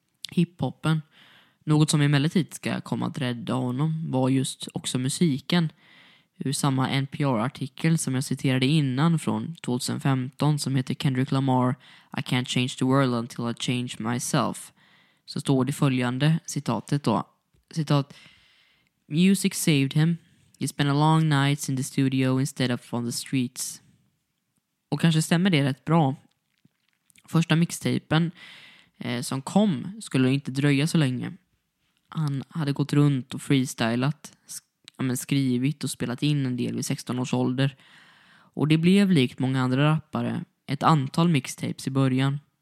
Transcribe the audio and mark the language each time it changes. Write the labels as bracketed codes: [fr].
[sv] Hiphoppen, något som emellertid ska komma att rädda honom, var just också musiken. Ur samma NPR-artikel som jag citerade innan från 2015 som heter Kendrick Lamar, I can't change the world until I change myself. Så står det följande citatet då. [en] Citat, music saved him. He spent a long nights in the studio instead of on the streets. [sv] Och kanske stämmer det rätt bra. Första mixtapen som kom skulle inte dröja så länge. Han hade gått runt och freestylat, skrivit och spelat in en del vid 16 års ålder. Och det blev likt många andra rappare ett antal mixtapes i början.